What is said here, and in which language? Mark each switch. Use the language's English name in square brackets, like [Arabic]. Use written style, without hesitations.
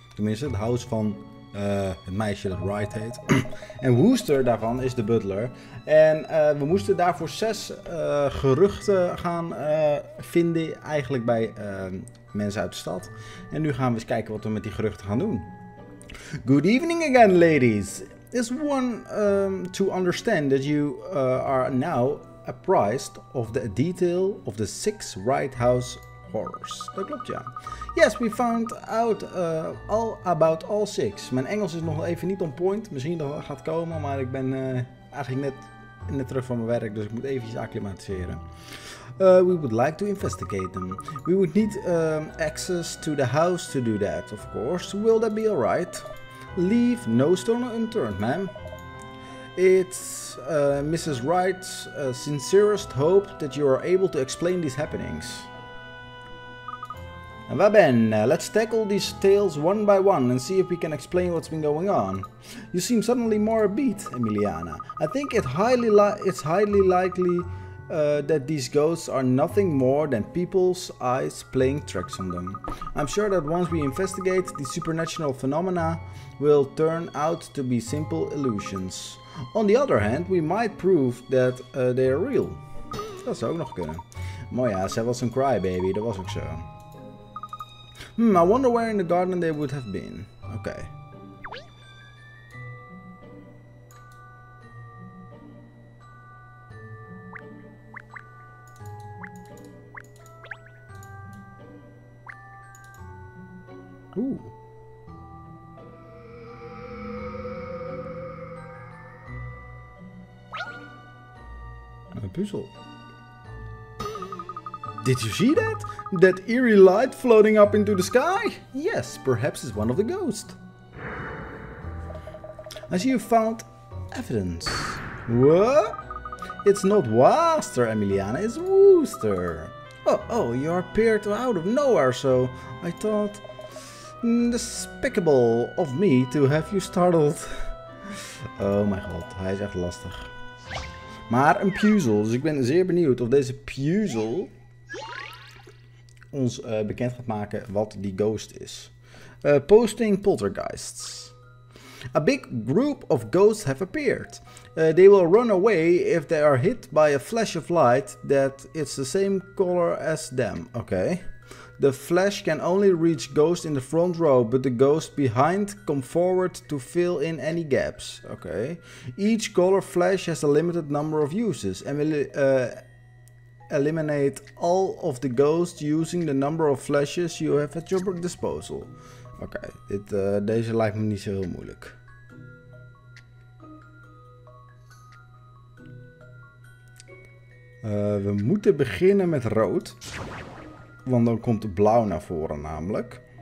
[Dutch] Tenminste, het huis van het meisje dat Wright heet. En Wooster daarvan is de butler. En we moesten daarvoor 6 geruchten gaan vinden eigenlijk bij mensen uit de stad. En nu gaan we eens kijken wat we met die geruchten gaan doen. [English] Good evening again, ladies. Is one to understand that you are now apprised of the detail of the 6 Wright House horrors? [Dutch] Dat klopt, ja. [English] Yes, we found out all about all 6. [Dutch] Mijn Engels is nog even niet [English] on point. [Dutch] Misschien dat het gaat komen, maar ik ben eigenlijk net terug van mijn werk, dus ik moet even acclimatiseren. [English] We would like to investigate them. We would need access to the house to do that, of course. Will that be alright? Leave no stone unturned, ma'am. It's Mrs. Wright's sincerest hope that you are able to explain these happenings. Well, Ben, let's tackle these tales one by one and see if we can explain what's been going on. You seem suddenly more upbeat, Emiliana. I think it's highly likely that these ghosts are nothing more than people's eyes playing tricks on them. I'm sure that once we investigate, the supernatural phenomena will turn out to be simple illusions. On the other hand, we might prove that they are real. [Dutch] Dat zou ook nog kunnen. Mooi, ja, zij was een crybaby, dat was ook zo. [English] I wonder where in the garden they would have been. Okay. Ooh. A puzzle. Did you see that? That eerie light floating up into the sky? Yes, perhaps it's one of the ghosts. I see you found evidence. What? It's not Wooster, Emiliana, it's Wooster. Oh, you appeared out of nowhere, so I thought... Despicable of me to have you startled. Oh my god, [Dutch] hij is echt lastig. Maar een puzzle, dus ik ben zeer benieuwd of deze puzzle... ons bekend gaat maken wat die ghost is. [English] Posting poltergeists. A big group of ghosts have appeared. They will run away if they are hit by a flash of light that it's the same color as them. Okay. The flash can only reach ghosts in the front row, but the ghosts behind come forward to fill in any gaps. Okay. Each color flash has a limited number of uses and will eliminate all of the ghosts using the number of flashes you have at your disposal. [Dutch] Okay, deze lijkt me niet zo heel moeilijk. We moeten beginnen met rood. Want dan komt blauw naar voren namelijk.